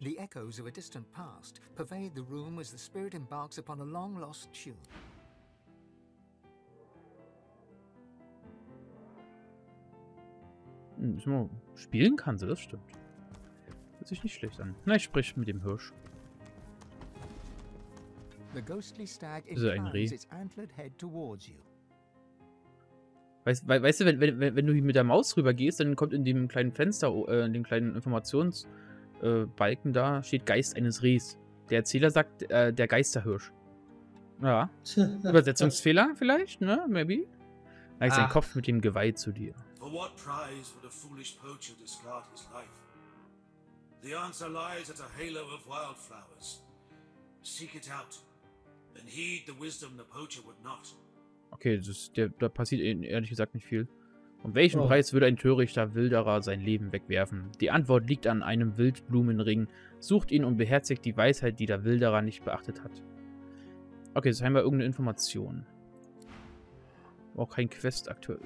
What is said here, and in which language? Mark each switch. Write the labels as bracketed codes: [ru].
[en] The echoes of a distant past pervade the room as the spirit embarks upon a long lost tune. [de] Spielen kann sie, das stimmt. Hört sich nicht schlecht an. Na, ich spreche mit dem Hirsch. [en] The ghostly stag inclines its antlered head towards you. [de] Weißt du, wenn du mit der Maus rüber gehst, dann kommt in dem kleinen Fenster, in dem kleinen Informationsbalken da, steht Geist eines Rehs. Der Erzähler sagt, der Geisterhirsch. Ja. Übersetzungsfehler vielleicht, ne? Maybe? Da ist ein Kopf mit dem Geweih zu dir. [en] For what prize would a foolish poacher discard his life? The answer lies at a halo of wildflowers. Seek it out and heed the wisdom the poacher would not. [de] Okay, da passiert ehrlich gesagt nicht viel. Um welchen Preis würde ein törichter Wilderer sein Leben wegwerfen? Die Antwort liegt an einem Wildblumenring. Sucht ihn und beherzigt die Weisheit, die der Wilderer nicht beachtet hat. Okay, jetzt haben wir irgendeine Information. Auch kein Quest aktuell.